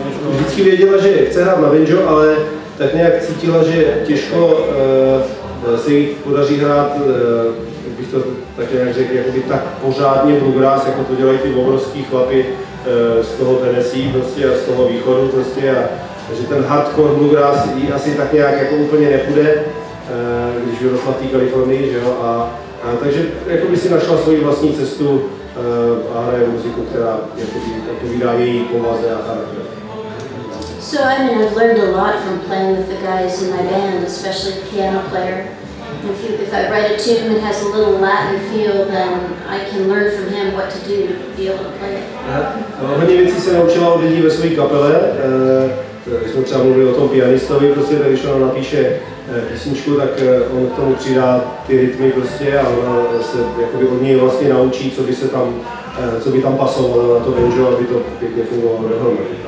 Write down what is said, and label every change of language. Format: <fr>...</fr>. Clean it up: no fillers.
<cs>Vždycky věděla, že chce hrát na banjo, ale tak nějak cítila, že těžko se jí podaří hrát, jak bych to tak nějak řekl, jakoby tak pořádně bluegrass, jako to dělají ty obrovský chlapy z toho Tennessee prostě a z toho východu prostě. Takže ten hardcore bluegrass jí asi tak nějak jako úplně nepůjde, když vyrostla v té Kalifornii, že jo. A takže jakoby si našla svoji vlastní cestu a hraje muziku, která odpovídá její povaze a charakteru.</cs> <en>So I mean, I've learned a lot from playing with the guys in my band, especially the piano player. If I write a tune that has a little Latin feel, then I can learn from him what to do to be able to play it. Yeah.</en> <cs>Hodně věcí jsem naučila od lidí ve své kapele. Když jsme třeba mluvili o tom pianistovi, prostě, tak když on napíše písničku, tak on k tomu přidá ty rytmy prostě a ona se jakoby od něj vlastně naučí, co by tam pasovalo na to banjo, aby to pěkně fungovalo dohromady.</cs>